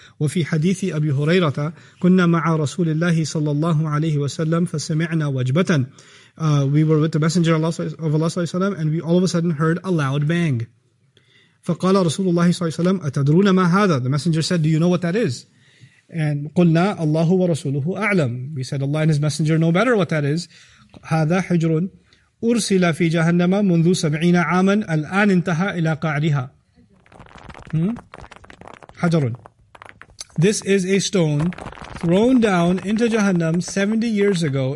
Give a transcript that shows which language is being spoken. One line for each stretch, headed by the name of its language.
Arabic: وَفِي حَدِيثِ أَبِي هُرَيْرَةَ كُنَّا مَعَ رَسُولِ اللَّهِ صَلَّى اللَّهُ عَلَيْهِ وَسَلَّمْ فَسَمِعْنَا وَجْبَةً.
English: We were with the Messenger of Allah, and we all of a sudden heard a loud bang.
Arabic: فَقَالَ رَسُولُ اللَّهِ صَلَّى اللَّهُ عَلَيْهِ وَسَلَّمْ أَتَدْرُونَ مَا هَذَا.
English: The Messenger said, do you know what that is?
Arabic: And قُلْنَا اللَّهُ وَرَسُولُهُ أَعْلَمْ.
English: We said, Allah and His Messenger know better what that is.
Arabic: هَذَا حِجْرٌ أُرْسِلَ فِي جَهَنَّمَ مُنْذُ سَبْعِينَ عَامًا الْآنِ انْتَهَى إِلَى قَعْرِهَا. حَجْرٌ.
English: This is a stone thrown down into Jahannam 70 years ago.